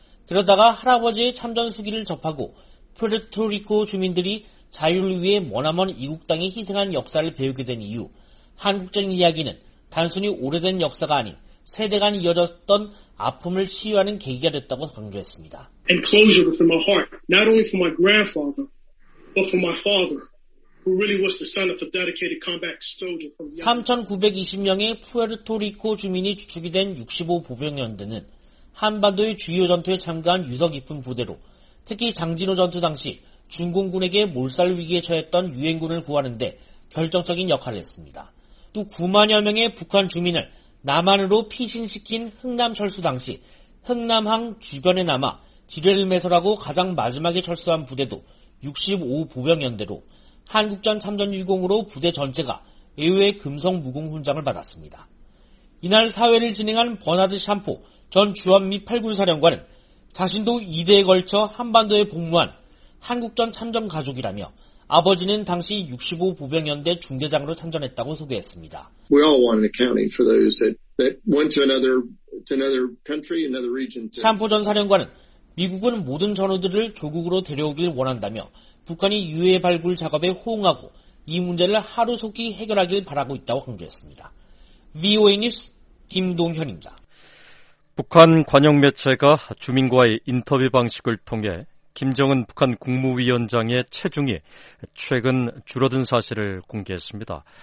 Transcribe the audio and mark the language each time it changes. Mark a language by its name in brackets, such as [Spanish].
[Korean] 그러다가 할아버지의 참전 수기를 접하고 푸에르토리코 주민들이 자유를 위해 머나먼 이국 땅에 희생한 역사를 배우게 된 이후 한국전 이야기는 단순히 오래된 역사가 아닌 세대 간 이어졌던 아픔을 치유하는 계기가 됐다고 강조했습니다. [English] And closure from my heart, not only for my grandfather, but for my father, who really was the son of a dedicated combat soldier from the [Korean] 3,920명의 푸에르토리코 주민이 주축이 된 65 보병연대는 한반도의 주요 전투에 참가한 유서 깊은 부대로 특히 장진호 전투 당시 중공군에게 몰살 위기에 처했던 유엔군을 구하는 데 결정적인 역할을 했습니다. 또 9만여 명의 북한 주민을 남한으로 피신시킨 흥남 철수 당시 흥남항 주변에 남아 지뢰를 매설하고 가장 마지막에 철수한 부대도 65 보병연대로 한국전 참전유공으로 부대 전체가 애호의 금성 무공 훈장을 받았습니다. 이날 사회를 진행한 버나드 샴포 전 주한미 8군 사령관은 자신도 2대에 걸쳐 한반도에 복무한 한국전 참전 가족이라며 아버지는 당시 65 보병연대 중대장으로 참전했다고 소개했습니다. [English] We all want an accounting for those that went to another country, another region. [Korean] 샴포 전 사령관은 미국은 모든 전우들을 조국으로 데려오길 원한다며 북한이 유해 발굴 작업에 호응하고 이 문제를 하루속히 해결하길 바라고 있다고 강조했습니다. VOA 뉴스 김동현입니다. 북한 관영 매체가 주민과의 인터뷰 방식을 통해 김정은 북한 국무위원장의 체중이 최근 줄어든 사실을 공개했습니다.